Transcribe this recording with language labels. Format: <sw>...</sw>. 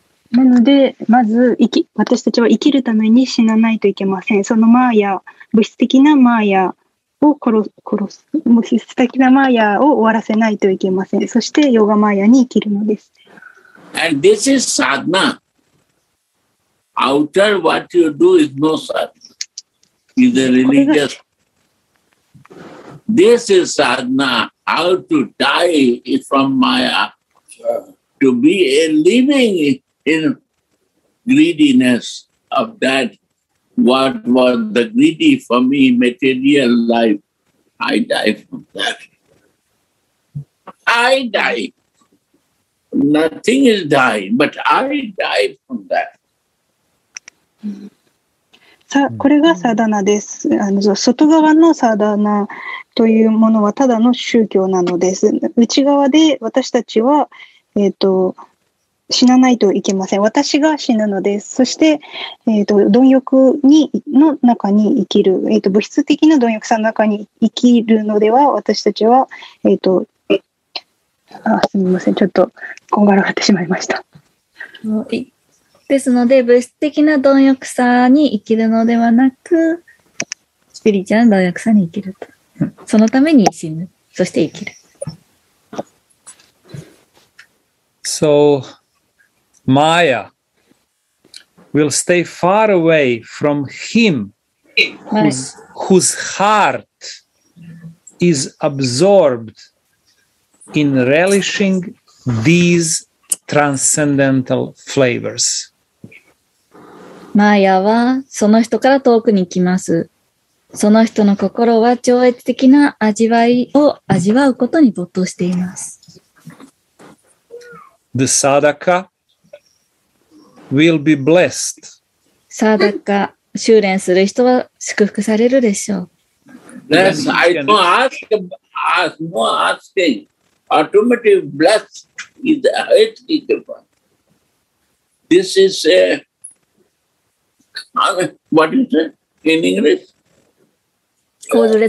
<ja>なのでまず私たちは生きるために死なないといけません。そのマーヤ、物質的なマーヤを殺す、物質的なマーヤを終わらせないといけません。そしてヨガマーヤに生きるのです。</ja> <en>And this is sadhana. Outer what you do is no sadhana. It's a religious. This is sadhana. How to die from Maya to be a living in greediness of that. What was the greedy for me, material life? I die from that. I die. Nothing is dying, but I die from that.</en> <ja>さ、これがサダナです。外側のサダナというものはただの宗教なのです。内側で私たちは、死なないといけません。私が死ぬのです。そして、貪欲にの中に生きる、物質的な貪欲さの中に生きるのでは、私たちは、すみません、ちょっとこんがらがってしまいました。ですので、物質的な貪欲さに生きるのではなく、スピリチュアルな貪欲さに生きると。そのために死ぬ、そして生きる。</ja> <en>So, Maya will stay far away from him whose heart is absorbed in relishing these transcendental flavors.</en> <ja>Maya はその人から遠くに来ます。その人の心は超越的な味わいを味わうことに没頭しています。</ja> <en>The sadaka will be blessed.</en> <ja>サダカ、修練する人は祝福されるでしょう。</ja> <en>Yes, I don't ask, ask, no asking. Automatic blessed is the Ahetika. This is a, what is it in English? Godless</en>